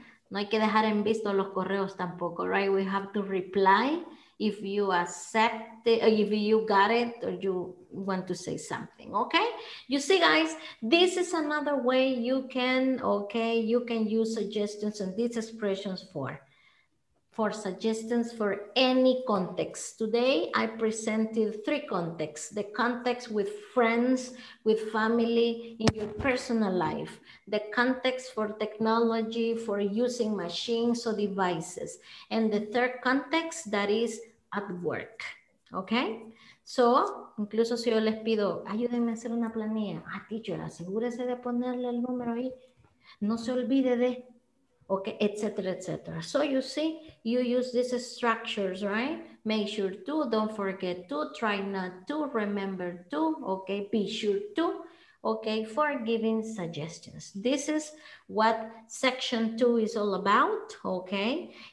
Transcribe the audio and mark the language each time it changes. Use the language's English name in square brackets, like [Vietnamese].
[Spanish] No hay que dejar en visto los correos tampoco, right? [English] We have to reply if you accept it, if you got it, or you want to say something, okay? You see, guys, this is another way you can, okay, you can use suggestions and these expressions for suggestions for any context. Today, I presented three contexts. The context with friends, with family, in your personal life. The context for technology, for using machines or devices. And the third context, that is at work, okay? [Spanish] So, incluso si yo les pido, ayúdenme a hacer una planilla. Ah, teacher, asegúrese de ponerle el número ahí. No se olvide de... Okay, etc., etc. [English] So you see, you use these structures, right? Make sure to, don't forget to, try not to, remember to, okay, be sure to, okay, for giving suggestions. This is what section 2 is all about, okay?